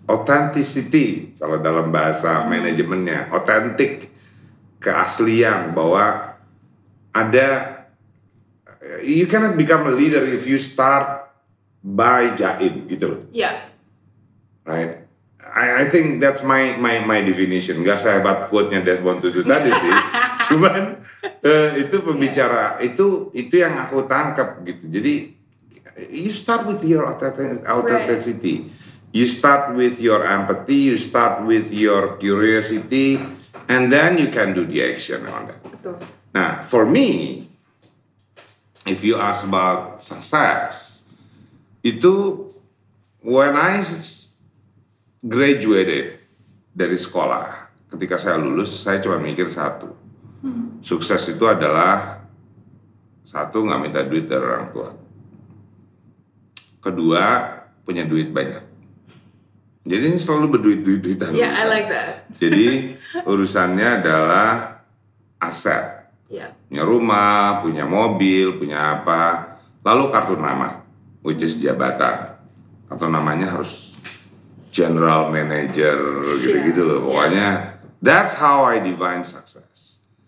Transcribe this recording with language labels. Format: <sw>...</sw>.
<id>Authenticity, kalau dalam bahasa manajemennya, authentic, keaslian, bahwa ada.</id> <en>You cannot become a leader if you start by</en> <id>jaim, gitu.</id> <en>Yeah. Right. I think that's my definition.</en> <id>Gak sehebat quote-nya Desmond Tutu tadi sih. Cuman itu pembicara</id> <en>yeah.</en> <id>itu yang aku tangkap gitu. Jadi</id> <en>you start with your authenticity. Right. You start with your empathy. You start with your curiosity, and then you can do the action on that.</en> <id>Betul. Nah,</id> <en>for me. If you ask about success,</en> <id>itu</id> <en>when I graduated</en> <id>dari sekolah, ketika saya lulus, saya cuma mikir satu. Sukses itu adalah, satu, gak minta duit dari orang tua. Kedua, punya duit banyak. Jadi ini selalu berduit-duit-duitan.</id> <en>Yeah,</en> <id>urusan.</id> <en>I like that.</en> <id>Jadi urusannya adalah aset.</id> <en>Yeah.</en> <id>Punya rumah, punya mobil, punya apa. Lalu kartu nama,</id> <en>which is</en> <id>jabatan. Kartu namanya harus general manager, gitu-gitu loh. Pokoknya,</id> <en>that's how I define success.</en>